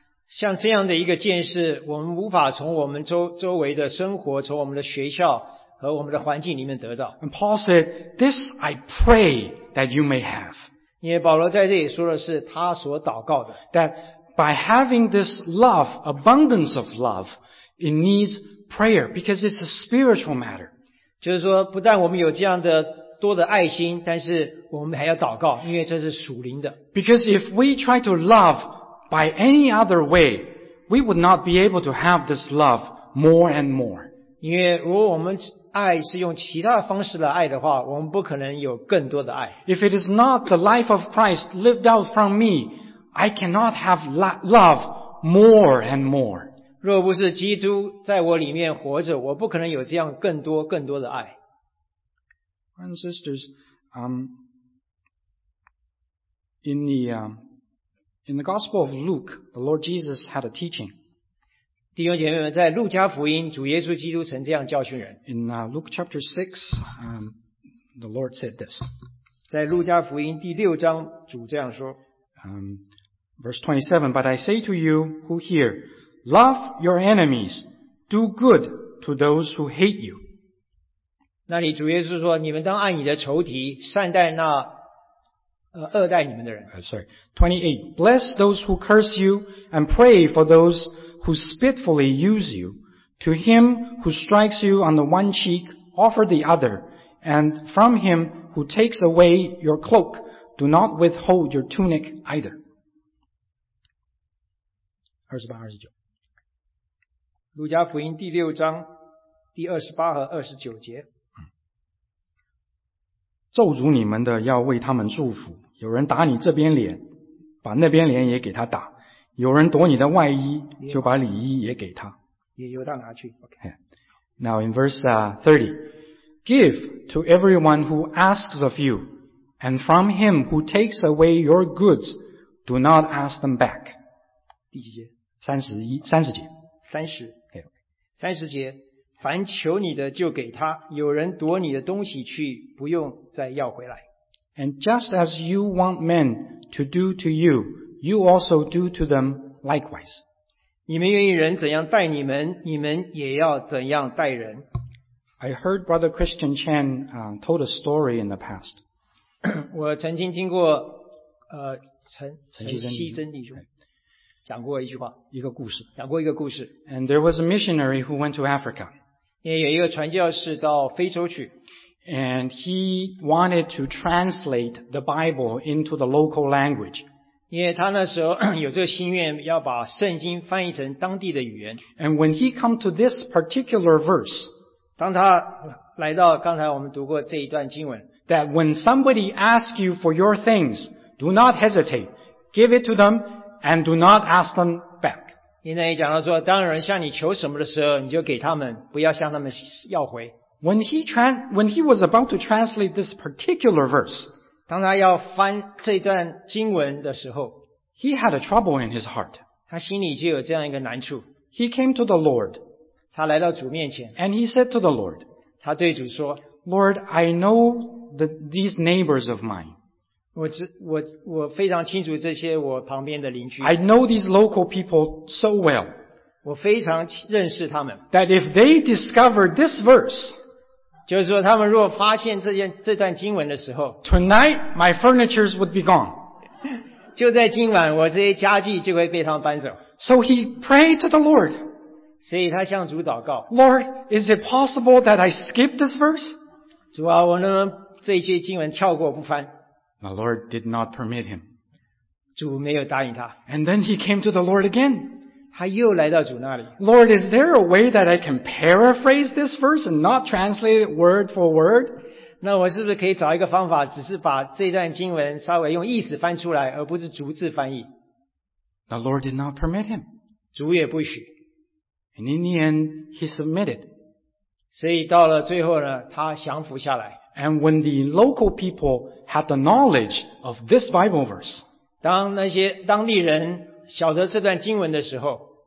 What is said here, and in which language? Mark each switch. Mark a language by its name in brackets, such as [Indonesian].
[Chinese] 像这样的一个见识，我们无法从我们周围的生活，从我们的学校和我们的环境里面得到。 [English] And Paul said, "This I pray that you may have." [Chinese] 因为保罗在这里说的是他所祷告的。 [English] That by having this love, abundance of love, it needs prayer because it's a spiritual matter. [Chinese] 就是说，不但我们有这样的多的爱心，但是我们还要祷告，因为这是属灵的。 [English] Because if we try to love by any other way, we would not be able to have this love more and more. [Chinese] 因为如果我们爱是用其他方式来爱的话，我们不可能有更多的爱。 [English] If it is not the life of Christ lived out from me, I cannot have love more and more. [Chinese] 若不是基督在我里面活着，我不可能有这样更多更多的爱。 [English] Brothers and sisters, in the Gospel of Luke, the Lord Jesus had a teaching. [Chinese] 弟兄姐妹们，在路加福音，主耶稣基督曾这样教训人。 [English] In Luke chapter 6, the Lord said this. [Chinese] 在路加福音第六章，主这样说。 [English] Verse 27, But I say to you who hear, love your enemies, do good to those who hate you. [Chinese] 那里主耶稣说，你们当爱你的仇敌，善待那恶待你们的人。 [English] 28. Bless those who curse you and pray for those who spitefully use you. To him who strikes you on the one cheek, offer the other. And from him who takes away your cloak, do not withhold your tunic either. 28-29. [Chinese] 路加福音第六章第28和29节。咒诅你们的要为他们祝福。有人打你这边脸，把那边脸也给他打；有人夺你的外衣，就把里衣也给他。也由他拿去。Okay. [English] Now in verse 30, give to everyone who asks of you, and from him who takes away your goods, do not ask them back. [Chinese] 第几节？三十节。三十。三十节，凡求你的就给他；有人夺你的东西去，不用再要回来。 [English] And just as you want men to do to you, you also do to them likewise. [Chinese] 你们愿意人怎样待你们，你们也要怎样待人。 [English] I heard Brother Christian Chan told a story in the past. [Chinese] 我曾经听过陈锡珍弟兄讲过一句话，一个故事，讲过一个故事。 [English] And there was a missionary who went to Africa. [Chinese] 也有一个传教士到非洲去。 [English] And he wanted to translate the Bible into the local language. [Chinese] 因为他那时候有这个心愿，要把圣经翻译成当地的语言。 [English] And when he come to this particular verse, [Chinese] 当他来到刚才我们读过这一段经文， [English] that when somebody asks you for your things, do not hesitate, give it to them, and do not ask them back. [Chinese] 因为讲到说，当人向你求什么的时候，你就给他们，不要向他们要回。 [English] When he was about to translate this particular verse, [Chinese] 当他要翻这段经文的时候， [English] he had a trouble in his heart. [Chinese] 他心里就有这样一个难处。 [English] He came to the Lord. [Chinese] 他来到主面前。 [English] And he said to the Lord, [Chinese] 他对主说， [English] Lord, I know these neighbors of mine. [Chinese] 我非常清楚这些我旁边的邻居。 [English] I know these local people so well. [Chinese] 我非常认识他们。 [English] That if they discover this verse, [Chinese] 就是说他们如果发现这段经文的时候， [English] Tonight my furnitures would be gone. [Chinese] 就在今晚我这些家具就会被他们搬走。 [English] So he prayed to the Lord. [Chinese] 所以他向主祷告， [English] Lord, is it possible that I skip this verse? [Chinese] 主啊，我能不能这些经文跳过不翻？ [English] The Lord did not permit him. [Chinese] 主没有答应他。 [English] And then he came to the Lord again. [Chinese] 他又来到主那里。 [English] Lord, is there a way that I can paraphrase this verse and not translate it word for word? [Chinese] 那我是不是可以找一个方法，只是把这段经文稍微用意思翻出来，而不是逐字翻译？ [English] The Lord did not permit him. [Chinese] 主也不许。 [English] And in the end, he submitted. [Chinese] 所以到了最后呢，他降服下来。 [English] And when the local people had the knowledge of this Bible verse, [Chinese] 当那些当地人晓得这段经文的时候，